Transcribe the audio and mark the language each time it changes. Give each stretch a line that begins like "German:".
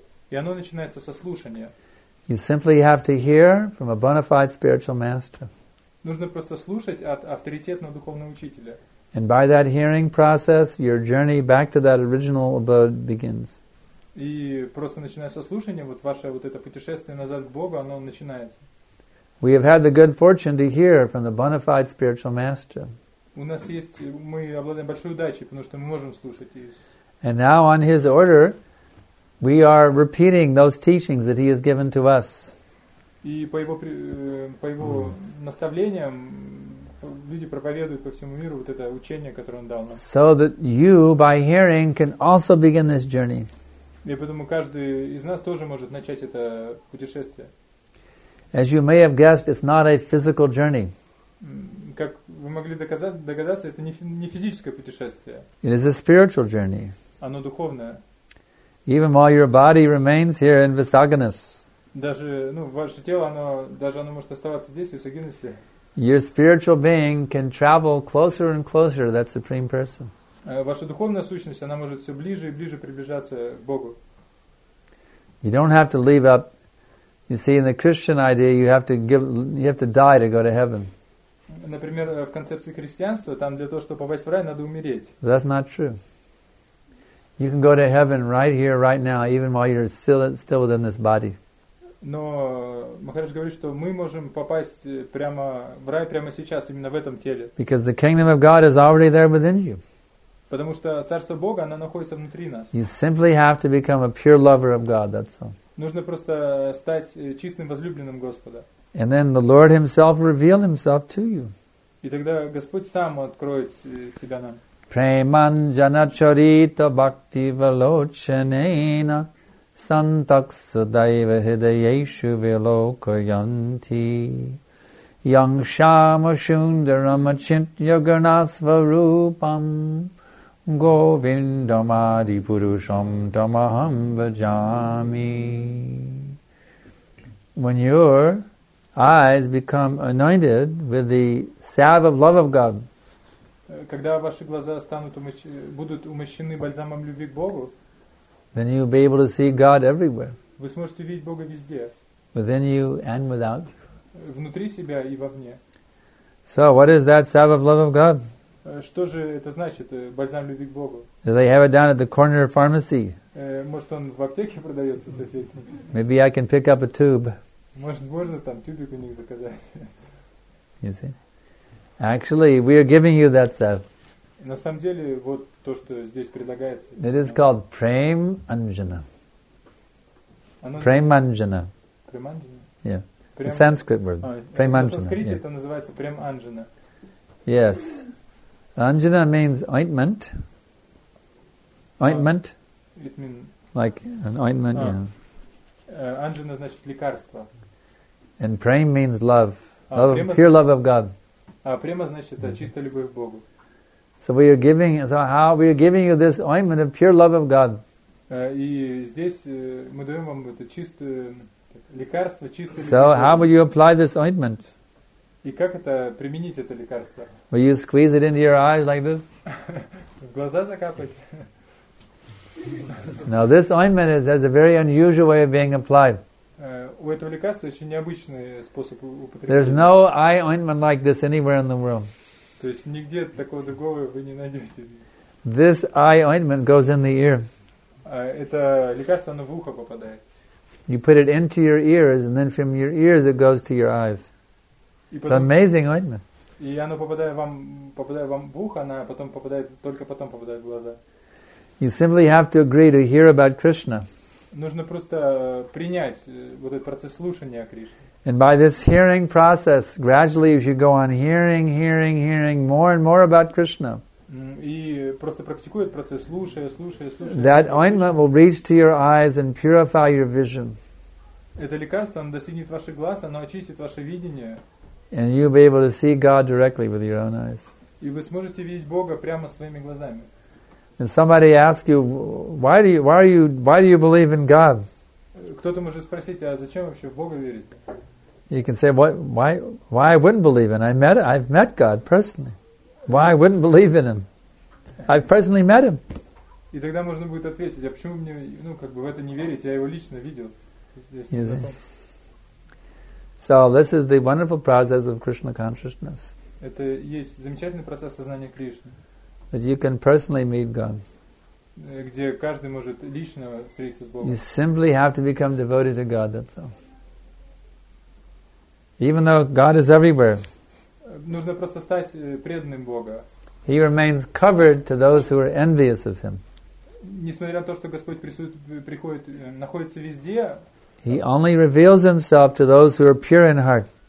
Russian: И оно начинается со слушания.
English: You simply have to hear from a bona fide spiritual master.
Russian: Нужно просто слушать от авторитетного духовного учителя.
English: And by that hearing process, your journey back to that original abode begins.
Russian: И просто начиная со слушания, вот ваше вот это путешествие назад к Богу, оно начинается.
English: We have had the good fortune to hear from the bona fide spiritual master.
Russian: У нас есть, мы обладаем большой удачей, потому что мы можем слушать.
English: And now on his order, we are repeating those teachings that he has given to us.
Russian: И по его наставлениям люди проповедуют по всему миру вот это учение, которое он дал нам.
English: So that you, by hearing, can also begin this journey.
Russian: И поэтому каждый из нас тоже может начать это путешествие.
English: As you may have guessed, it's not a physical journey.
Russian: Как вы могли догадаться, это не физическое путешествие.
English: It is a spiritual journey.
Russian: Оно духовное.
English: Even while your body remains here in Visaganas.
Russian: Даже, ну, ваше тело, оно, даже оно может оставаться здесь, в Висагинасе.
English: Your spiritual being can travel closer and closer to that Supreme Person.
Russian: Ваша духовная сущность, она может все ближе и ближе приближаться к Богу.
English: You don't have to leave up. You see, in the Christian idea, you have to die to go to heaven.
Russian: Например, в концепции христианства, там для того, чтобы попасть в рай, надо умереть.
English: That's not true. You can go to heaven right here, right now, even while you're still within this body.
Russian: Но Махарадж говорит, что мы можем попасть прямо в рай прямо сейчас, именно в этом теле.
English: Because the kingdom of God is already there within you.
Russian: Потому что царство Бога, оно находится внутри нас.
English: You simply have to become a pure lover of God. That's all.
Russian: Нужно просто стать чистым возлюбленным Господа.
English: And then the Lord Himself reveal Himself to you.
Russian: И тогда Господь сам откроет себя нам.
Sanskrit: Преманджана чарита бхакти валочанена сантакса дайва хридаешу вилокаянти ям шама шундарам ачинтья гунасварупам Govindam Adipurusham Tamaham Vajami.
English: When your eyes become anointed with the salve of love of God,
Russian: когда ваши глаза станут будут умощены бальзамом любви к Богу,
English: then you'll be able to see God everywhere.
Russian: Вы сможете видеть Бога везде.
English: Within you and without you.
Russian: Внутри себя и вовне.
English: So what is that salve of love of God?
Russian: Что же это значит, бальзам любви к Богу?
English: They have it down at the corner of pharmacy.
Russian: Может, он в аптеке продается, соседи?
English: Maybe I can pick up a tube.
Russian: Может, можно там тюбик у них заказать?
English: You see? Actually, we are giving you that stuff.
Russian: На самом деле, вот то, что здесь предлагается.
English: It is called Premanjana. Premanjana. Premanjana? Yeah. It's a Sanskrit word. Premanjana.
Russian: На санскрите это называется Premanjana.
English: Yes. Anjana means ointment. Ointment. It means like an ointment, you know.
Russian: Anjana значит лекарство.
English: And prem means love. Love, pure love of God.
Russian: Према значит чистая любовь к Богу.
English: So we are giving, so how we are giving you this ointment of pure love of God.
Russian: И здесь мы даем вам это чистое лекарство, чистое.
English: So how will you apply this ointment?
Russian: И как это применить это лекарство?
English: Will you squeeze it into your eyes like this?
Russian: В глаза закапать?
English: Now this ointment has a very unusual way of being applied.
Russian: У этого лекарства очень необычный способ употребления.
English: There's no eye ointment like this anywhere in the world.
Russian: То есть нигде такого другого вы не найдете.
English: This eye ointment goes in the ear.
Russian: Это лекарство, оно в ухо попадает.
English: You put it into your ears, and then from your ears it goes to your eyes. It's amazing ointment.
Russian: И оно попадает вам в ухо, оно потом попадает только потом попадает в глаза.
English: You simply have to agree to hear about Krishna.
Russian: Нужно просто принять вот этот процесс слушания о Кришне.
English: And by this hearing process, gradually as you go on hearing more and more about Krishna.
Russian: И просто практикуя этот процесс слушая.
English: That ointment will reach to your eyes and purify your vision.
Russian: Это лекарство, оно достигнет ваших глаз, оно очистит ваше видение.
English: And you'll be able to see God directly with your own eyes.
Russian: И вы сможете видеть Бога прямо своими глазами.
English: And somebody asks you, why do you believe in God?
Russian: Кто-то может спросить, а зачем вообще в Бога верить?
English: You can say, why I wouldn't believe in? I've met God personally. Why I wouldn't believe in Him? I've personally met Him.
Russian: И тогда можно будет ответить, а почему мне, ну как бы в это не верить? Я его лично видел.
English: So this is the wonderful process of Krishna consciousness.
Russian: Это есть замечательный процесс сознания Кришны.
English: That you can personally meet God.
Russian: Где каждый может лично встретиться с Богом.
English: You simply have to become devoted to God. That's all. Even though God is everywhere.
Russian: Нужно просто стать преданным Бога.
English: He remains covered to those who are envious of Him.
Russian: Несмотря на то, что Господь приходит, находится везде.
English: He only reveals himself to those who are pure in heart.